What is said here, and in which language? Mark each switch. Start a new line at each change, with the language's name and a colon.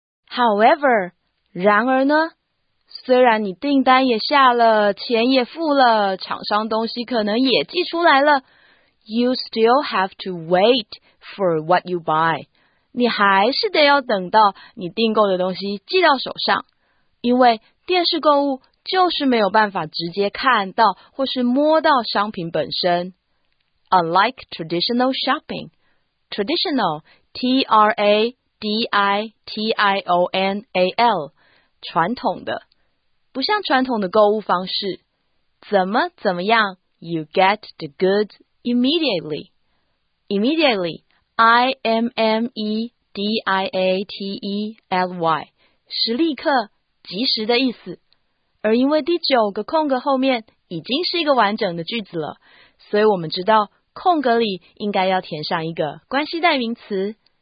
English: However,
Chinese: 然而呢，虽然你订单也下了，钱也付了，厂商东西可能也寄出来了，
English: You still have to wait for what you buy.
Chinese: 你还是得要等到你订购的东西寄到手上，因为电视购物就是没有办法直接看到或是摸到商品本身。
English: Unlike traditional shopping, traditional, T-R-A-D-I-T-I-O-N-A-L,
Chinese: 传统的，不像传统的购物方式，怎么怎么样
English: ,you get the goods immediately. Immediately, I-M-M-E-D-I-A-T-E-L-Y,
Chinese: 是立刻、及时的意思。而因为第九个空格后面已经是一个完整的句子了，所以我们知道空格里应该要填上一个关系代名词。